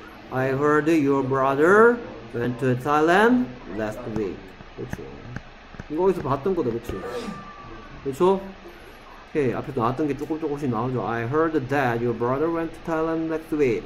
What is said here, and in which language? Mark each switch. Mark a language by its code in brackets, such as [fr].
[en] I heard your brother went to Thailand last week. [ko] 그렇죠. 이거 어디서 봤던 거다, 그렇죠? 그렇죠? 오케이. 앞에 나왔던 게 조금씩 나오죠. [en] I heard that your brother went to Thailand next week.